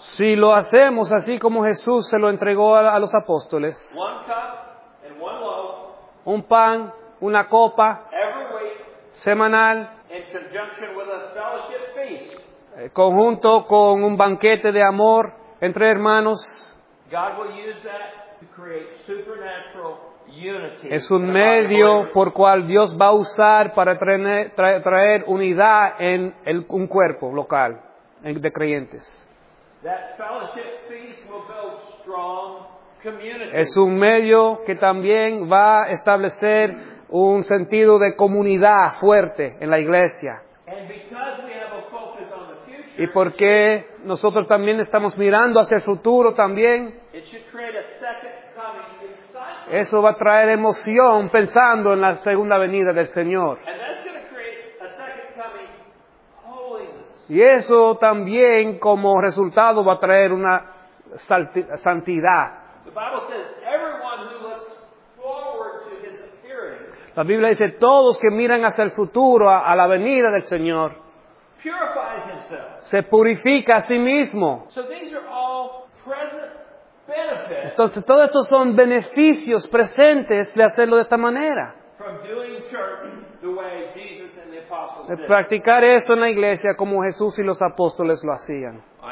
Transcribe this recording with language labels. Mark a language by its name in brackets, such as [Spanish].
[Spanish] si lo hacemos así como Jesús se lo entregó a los apóstoles, [English] one cup and one loaf, [Spanish] un pan, una copa, [English] every week, [Spanish] semanal, [English] in conjunction with a fellowship feast, [Spanish] conjunto con un banquete de amor entre hermanos, [English] God will use that to create supernatural unity. [Spanish] Es un medio por cual Dios va a usar para traer unidad en un cuerpo local de creyentes. [English] That fellowship feast will build strong community. [Spanish] Es un medio que también va a establecer un sentido de comunidad fuerte en la iglesia. [English] And because we have a focus on the future, [Spanish] y porque nosotros también estamos mirando hacia el futuro también, [English] it should create a second coming excitement. [Spanish] Eso va a traer emoción pensando en la segunda venida del Señor. [English] And that's going to create a second coming holiness. [Spanish] Y eso también como resultado va a traer una santidad. [English] The Bible says, everyone who looks forward to his appearing, [Spanish] la Biblia dice, todos que miran hacia el futuro, a la venida del Señor, [English] purifies himself. [Spanish] Se purifica a sí mismo. [English] So these are all present benefits. [Spanish] Entonces, todos estos son beneficios presentes de hacerlo de esta manera. [English] From doing church the way Jesus and the apostles did. [Spanish] De practicar esto en la iglesia como Jesús y los apóstoles lo hacían.